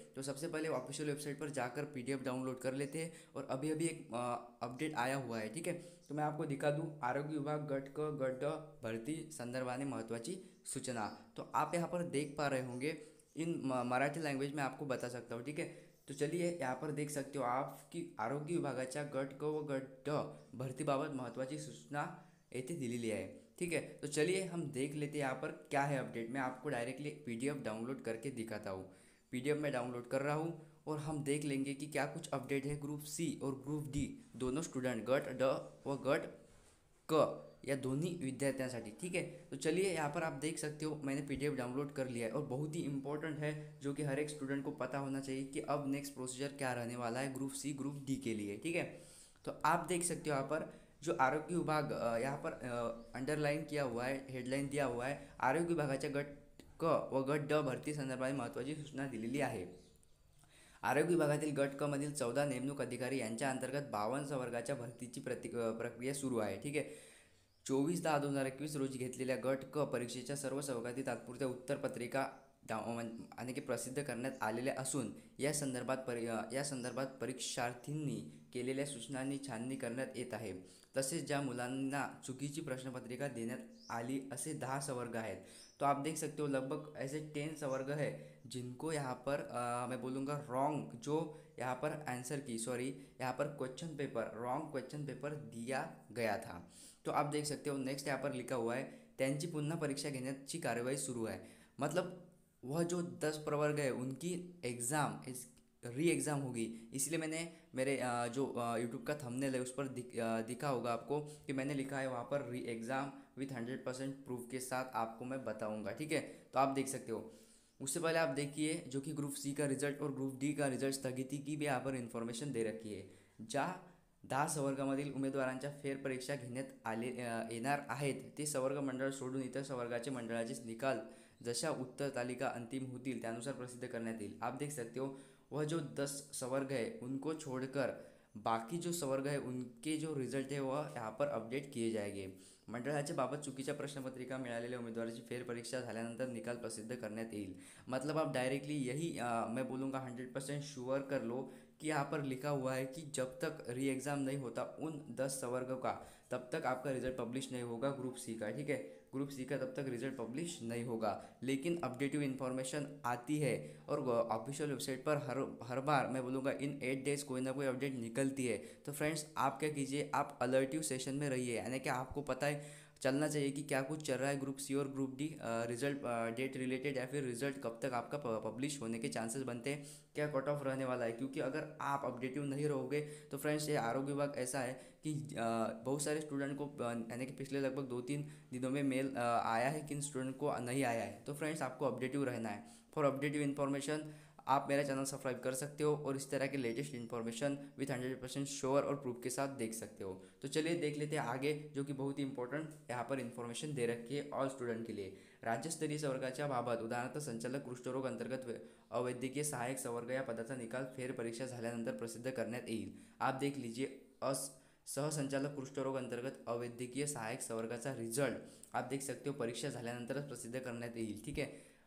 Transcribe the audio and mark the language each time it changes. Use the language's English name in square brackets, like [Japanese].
[Hindi] तो सबसे पहले ऑफिशियल वेबसाइट पर जाकर PDF डाउनलोड कर लेते हैं। और अभी अभी एक अपडेट आया हुआ है, ठीक है, तो मैं आपको दिखा दूँ। [Marathi] आरोग्य विभाग गट भर्ती संदर्भाने महत्वाची सूचना, [Hindi] तो आप यहाँ पर देख पा रहे होंगे, इन मराठी लैंग्वेज में आपको बता सकता हूँ, ठीक है। तो चलिए, यहाँ पर देख सकते हो आपकी [Marathi] आरोग्य विभागाच्या गट क व गट भर्ती बाबत महत्वाची सूचना येथे दिलेली आहे, ठीक है। [Hindi] तो चलिए हम देख लेते हैं यहाँ पर क्या है अपडेट। मैं आपको डायरेक्टली PDF डाउनलोड करके दिखाता हूँ। PDF मैं डाउनलोड कर रहा हूँ और हम देख लेंगे कि क्या कुछ अपडेट है ग्रुप सी और ग्रुप डी दोनों स्टूडेंट गट ड व गट क या दोनों विद्यार्थियांसाठी, ठीक है। तो चलिए यहाँ पर आप देख सकते हो मैंने PDF डाउनलोड कर लिया है और बहुत ही इंपॉर्टेंट है, जो कि हर एक स्टूडेंट को पता होना चाहिए कि अब नेक्स्ट प्रोसीजर क्या रहने वाला है ग्रुप सी ग्रुप डी के लिए, ठीक है। तो आप देख सकते हो यहाँ पर जो आरोग्य विभाग यहाँ पर अंडरलाइन किया हुआ है, हेडलाइन दिया हुआ है, [Marathi] आरोग्य विभागाच्या गट क व गट ड भर्ती संदर्भात महत्त्वाची सूचना दिलेली आहे। आरोग्य विभागातील गट क मधील 14 नेमणूक अधिकारी यांच्या अंतर्गत 52 सवर्गाच्या भर्तीची प्रक्रिया सुरू आहे, ठीक आहे। 24/10/2021 रोजी घेतलेल्या गट क परीक्षेच्या सर्व सहभागी तात्पुरत्या उत्तरपत्रिका आणि की प्रसिद्ध करण्यात आलेल्या असून, या संदर्भात परीक्षार्थींनी केलेल्या सूचनांनी छाननी करण्यात येत आहे। तसेच ज्या मुलांना चुकीची प्रश्नपत्रिका देण्यात आली असे 10 सवर्ग आहेत, [Hindi] तो आप देख सकते हो लगभग ऐसे 10 सवर्ग है जिनको यहाँ पर मैं बोलूँगा रॉन्ग, जो यहाँ पर आंसर की सॉरी यहाँ पर question paper wrong question paper दिया गया था। तो आप देख सकते हो नेक्स्ट यहाँ पर लिखा हुआ है [Marathi] त्यांची पुनः परीक्षा घेण्याची कार्यवाही सुरू [Hindi] है, मतलब वह जो 10 प्रवर्ग है उनकी एग्ज़ाम री एग्ज़ाम होगी। इसलिए मैंने मेरे जो यूट्यूब का थंबनेल है उस पर दिखा होगा आपको कि मैंने लिखा है वहाँ पर री एग्ज़ाम विथ 100% प्रूफ के साथ आपको मैं बताऊँगा, ठीक है। तो आप देख सकते हो, उससे पहले आप देखिए जो कि ग्रुप सी का रिजल्ट और ग्रुप डी का रिजल्ट स्थगित की भी यहाँ पर इन्फॉर्मेशन दे रखी है। [Marathi] ज्या 10 सवर्गामधील उमेदवारांच्या फेरपरीक्षा घेण्यात आले येणार आहेत, ते सवर्ग मंडळ सोडून इतर सवर्गाचे मंडळाचे निकाल जशा उत्तर तालिका अंतिम होतील त्यानुसार प्रसिद्ध करण्यात येईल। [Hindi] आप देख सकते हो वह जो 10 सवर्ग है उनको छोड़कर बाकी जो सवर्ग है उनके जो रिजल्ट है वह यहाँ पर अपडेट किए जाएंगे। [Marathi] मंडळाचे बाबत चुकीच्या प्रश्नपत्रिका मिळालेल्या उमेदवाराची फेरपरीक्षा झाल्यानंतर निकाल प्रसिद्ध करण्यात येईल। [Hindi] मतलब आप डायरेक्टली यही मैं बोलूँगा 100% श्योर कर लो कि यहाँ पर लिखा हुआ है कि जब तक री एग्ज़ाम नहीं होता उन 10 सवर्गों का, तब तक आपका रिजल्ट पब्लिश नहीं होगा ग्रुप सी का, ठीक है। ग्रुप सी का तब तक रिजल्ट पब्लिश नहीं होगा, लेकिन अपडेटिव इन्फॉर्मेशन आती है और ऑफिशियल वेबसाइट पर हर बार मैं बोलूँगा इन 8 डेज कोई ना कोई अपडेट निकलती है। तो फ्रेंड्स, आप क्या कीजिए, आप अलर्टिव सेशन में रहिए, यानी कि आपको पता है चलना चाहिए कि क्या कुछ चल रहा है ग्रुप सी और group D result date related, या फिर रिजल्ट कब तक आपका पब्लिश होने के चांसेस बनते हैं, क्या कट ऑफ रहने वाला है। क्योंकि अगर आप अपडेटिव नहीं रहोगे तो फ्रेंड्स, ये आरोग्य विभाग ऐसा है कि बहुत सारे स्टूडेंट को यानी कि पिछले लगभग 2-3 दिनों में मेल आया है, किन स्टूडेंट को नहीं आया है। तो फ्रेंड्स, आपको अपडेटिव रहना है। फॉर अपडेटिव इन्फॉर्मेशन आप मेरा चैनल सब्सक्राइब कर सकते हो और इस तरह के लेटेस्ट इन्फॉर्मेशन विथ 100% श्योर और प्रूफ के साथ देख सकते हो। तो चलिए देख लेते हैं आगे, जो कि बहुत ही इंपॉर्टेंट यहाँ पर इन्फॉर्मेशन दे रखी है ऑल स्टूडेंट के लिए। [Marathi] राज्य स्तरीय सवर्गाच्या बाबत उदाहरणार्थ संचालक कुष्ठरोग अंतर्गत अवैद्यकीय सहायक सवर्ग या पदाचा निकाल फेरपरीक्षा झाल्यानंतर प्रसिद्ध करण्यात येईल। [Hindi] आप देख लीजिए [Marathi] सहसंचालक कुष्ठरोग अंतर्गत अवैद्यकीय सहायक सवर्गाचा रिजल्ट [Hindi] आप देख सकते हो [Marathi] परीक्षा झाल्यानंतरच प्रसिद्ध करण्यात येईल, ठीक आहे।